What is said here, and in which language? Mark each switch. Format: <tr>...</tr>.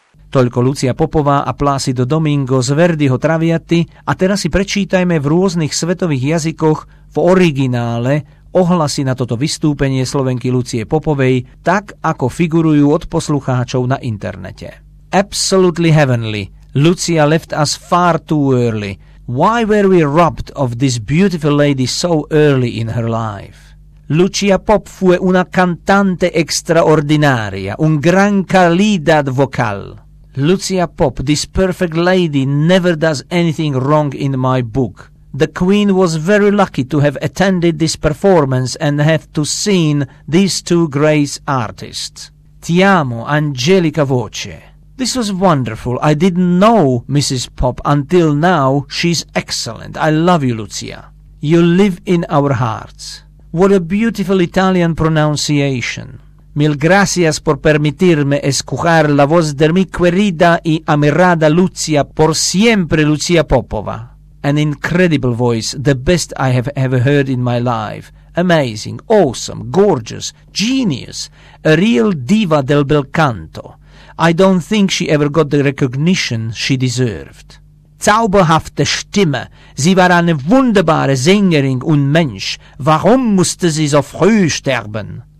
<sk>Toľko Lucia Popová a Plácido Domingo z Verdiho Traviaty a teraz si prečítajme v rôznych svetových jazykoch v originále ohlasy na toto vystúpenie Slovenky Lucie Popovej tak, ako figurujú od poslucháčov na internete.</sk> <en>Absolutely heavenly. Lucia left us far too early. Why were we robbed of this beautiful lady so early in her life?</en> <es>Lucia Pop fue una cantante extraordinaria, un gran calidad vocal.</es> <en>Lucia Pop, this perfect lady, never does anything wrong in my book. The Queen was very lucky to have attended this performance and have to seen these two great artists.</en> <it>Ti amo, angelica voce.</it> <en>This was wonderful. I didn't know Mrs. Pop until now. She's excellent. I love you, Lucia. You live in our hearts. What a beautiful Italian pronunciation.</en> <es>Mil gracias por permitirme escuchar la voz de mi querida y amirada Lucia, por siempre Lucia Popova.</es> <en>An incredible voice, the best I have ever heard in my life. Amazing, awesome, gorgeous, genius, a real diva</en> <it>del bel canto.</it> <en>I don't think she ever got the recognition she deserved.</en> <de>Zauberhafte Stimme, sie war eine wunderbare Sängerin und Mensch. Warum musste sie so früh sterben?</de>